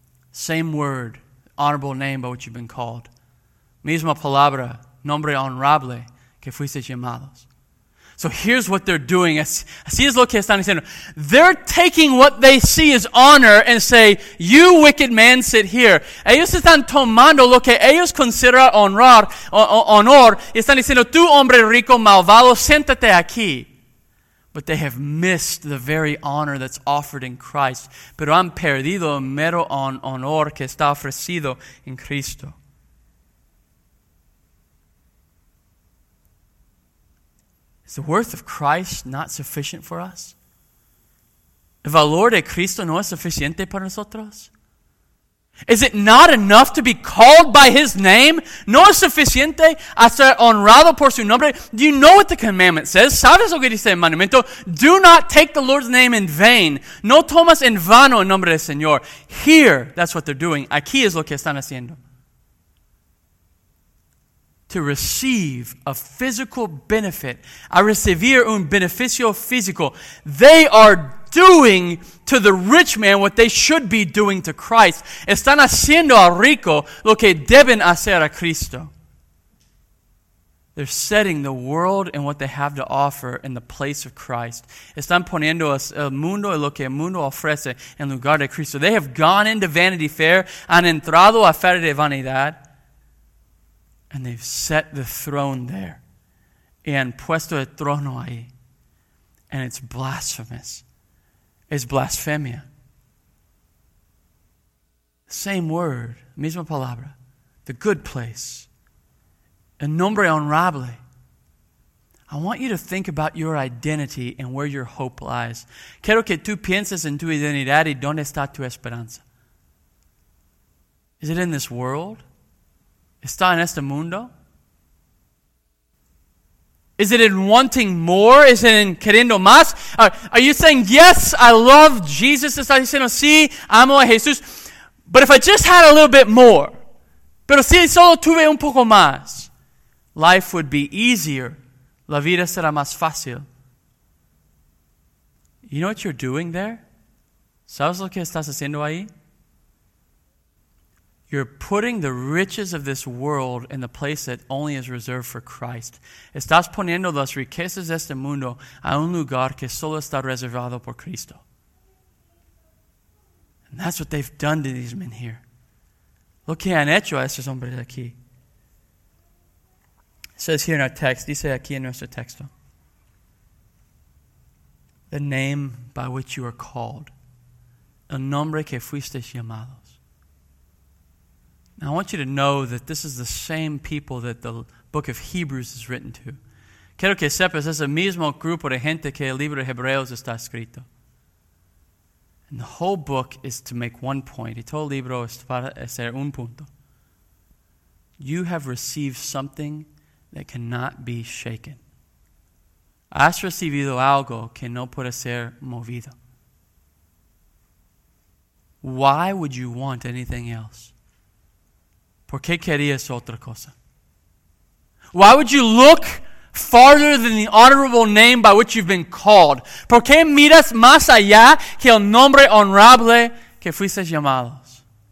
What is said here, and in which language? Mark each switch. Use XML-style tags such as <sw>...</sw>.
<en>Same word, honorable name by which you've been called.</en> <es>Misma palabra, nombre honorable, que fuiste llamados.</es> <en>So here's what they're doing.</en> <es>Así es lo que están diciendo.</es> <en>They're taking what they see as honor and say, you wicked man, sit here.</en> <es>Ellos están tomando lo que ellos consideran honrar, honor, y están diciendo, tú hombre rico, malvado, siéntate aquí.</es> <en>But they have missed the very honor that's offered in Christ.</en> <es>Pero han perdido el mero honor que está ofrecido en Cristo.</es> <en>Is the worth of Christ not sufficient for us?</en> <es>¿El valor de Cristo no es suficiente para nosotros?</es> <en>Is it not enough to be called by His name?</en> <es>¿No es suficiente a ser honrado por su nombre?</es> <en>Do you know what the commandment says?</en> <es>¿Sabes lo que dice el mandamiento?</es> <en>Do not take the Lord's name in vain.</en> <es>No tomas en vano el nombre del Señor.</es> <en>Here, that's what they're doing.</en> <es>Aquí es lo que están haciendo.</es> <en>To receive a physical benefit,</en> <es>a recibir un beneficio físico,</es> <en>they are doing to the rich man what they should be doing to Christ.</en> <es>Están haciendo al rico lo que deben hacer a Cristo.</es> <en>They're setting the world and what they have to offer in the place of Christ.</en> <es>Están poniendo el mundo y lo que el mundo ofrece en lugar de Cristo.</es> <en>They have gone into Vanity Fair,</en> <es>han entrado a Feria de Vanidad.</es> <en>And they've set the throne there.</en> <es>Y han puesto el trono ahí.</es> <en>And it's blasphemous. It's blasfemia. Same word,</en> <es>misma palabra.</es> <en>The good place.</en> <es>El nombre honorable.</es> <en>I want you to think about your identity and where your hope lies.</en> <es>Quiero que tú pienses en tu identidad y dónde está tu esperanza.</es> <en>Is it in this world?</en> <es>¿Está en este mundo?</es> <en>Is it in wanting more? Is it in</en> <es>queriendo más?</es> <en>Are you saying, yes, I love Jesus?</en> <es>¿Está diciendo, sí, amo a Jesús?</es> <en>But if I just had a little bit more,</en> <es>pero si solo tuve un poco más, life would be easier. La vida será más fácil.</es> <en>You know what you're doing there? ¿Sabes lo que estás haciendo ahí? You're putting the riches of this world in the place that only is reserved for Christ.</en> <es>Estás poniendo las riquezas de este mundo a un lugar que solo está reservado por Cristo.</es> <en>And that's what they've done to these men here.</en> <es>Lo que han hecho a estos hombres aquí.</es> <en>It says here in our text,</en> <es>dice aquí en nuestro texto,</es> <en>the name by which you are called,</en> <es>el nombre que fuisteis llamado.</es> <en>Now, I want you to know that this is the same people that the book of Hebrews is written to.</en> <es>Quiero que sepas, es el mismo grupo de gente que el libro de Hebreos está escrito.</es> <en>And the whole book is to make one point.</en> <es>Y todo el libro es para hacer un punto.</es> <en>You have received something that cannot be shaken.</en> <es>Has recibido algo que no puede ser movido.</es> <en>Why would you want anything else?</en> <es>¿Por qué querías otra cosa?</es> <en>Why would you look farther than the honorable name by which you've been called?</en> <es>¿Por qué miras más allá que el nombre honorable que fuiste llamados?</es>